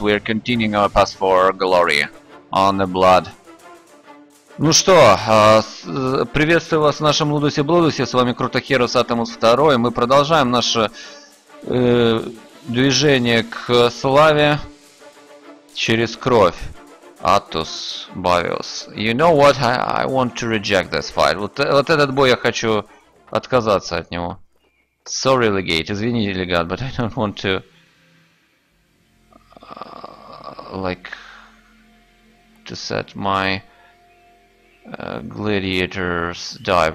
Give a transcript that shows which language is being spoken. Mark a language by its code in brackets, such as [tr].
[en] We're continuing our path for glory on the blood. [ru] Ну что, приветствую вас в нашем Лудусе Блодусе, с вами Крутохерус Атомус II. Мы продолжаем наше движение к славе через кровь. Атус Бавиус. [en] You know what, I want to reject this fight. [ru] Вот этот бой я хочу отказаться от него. [en] Sorry, Legate. [ru] Извини, Легат, [en] but I don't want to... to set my... gladiators die.